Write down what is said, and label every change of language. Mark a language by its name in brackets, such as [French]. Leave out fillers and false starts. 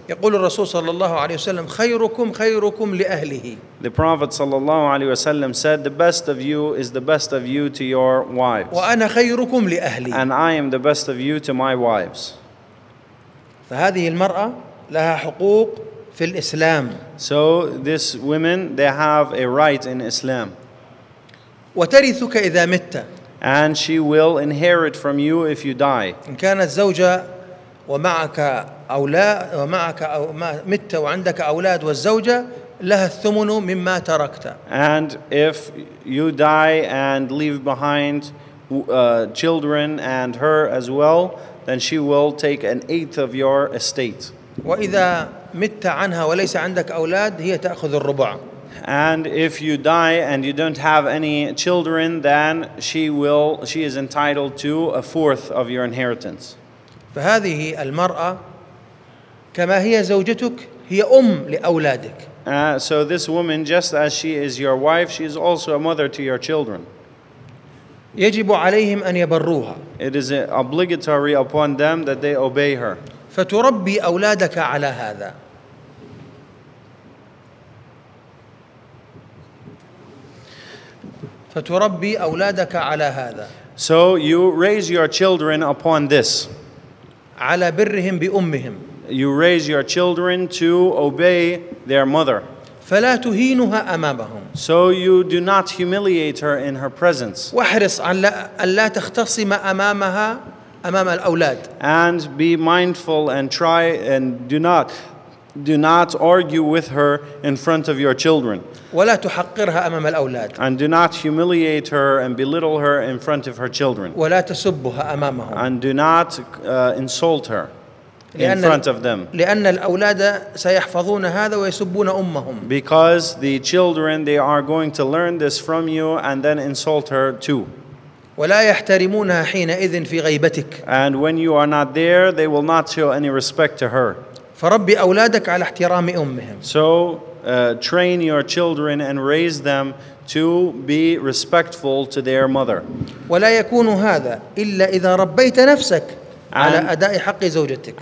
[Arabic] يقول الرسول صلى الله عليه وسلم خيركم خيركم لأهله. [English] The Prophet [Arabic] صلى الله عليه وسلم [English] said, "The best of you is the best of you to your wives." [Arabic] وأنا خيركم لأهلي. [English] And I am the best of you to my wives. [Arabic] فهذه المرأة لها حقوق في الإسلام. [English] So this women, they have a right in Islam. [Arabic] وترثك إذا مت. [English] And she will inherit from you if you die. [Arabic] إن كانت زوجة ومعك أولاد ومعك أو مت وعندك أولاد والزوجة لها الثمن مما تركت. [English] And if you die and leave behind children and her as well, then she will take an eighth of your estate. [Arabic] وإذا مت عنها وليس عندك أولاد هي تأخذ الربع. [English] And if you die and you don't have any children, then she is entitled to a fourth of your inheritance. [Arabic] فهذه المرأة كما هي زوجتك هي أم لأولادك. [English] So this woman, just as she is your wife, she is also a mother to your children. [Arabic] يجب عليهم أن يبروها. [English] It is obligatory upon them that they obey her. [Arabic] فتربي أولادك على هذا. فتربي أولادك على هذا. [English] So you raise your children upon this. [Arabic] على برهم بأمهم. [English] You raise your children to obey their mother. [Arabic] فلا تهينها أمامهم. [English] So you do not humiliate her in her presence. [Arabic] واحرص على أن لا تختصم أمامها أمام الأولاد. [English] And be mindful and try and do not argue with her in front of your children. [Arabic] ولا تحقرها أمام الأولاد. [English] And do not humiliate her and belittle her in front of her children. [Arabic] ولا تسبها أمامهم. [English] And do not insult her in front of them. [Arabic] لأن الأولاد سيحفظون هذا ويسبون أمهم. [English] Because the children, they are going to learn this from you and then insult her too. [Arabic] ولا يحترمونها حينئذ في غيبتك. [English] And when you are not there, they will not show any respect to her. [Arabic] فربي أولادك على احترام أمهم. [English] So train your children and raise them to be respectful to their mother. [Arabic] ولا يكون هذا إلا إذا ربيت نفسك على أداء حق زوجتك.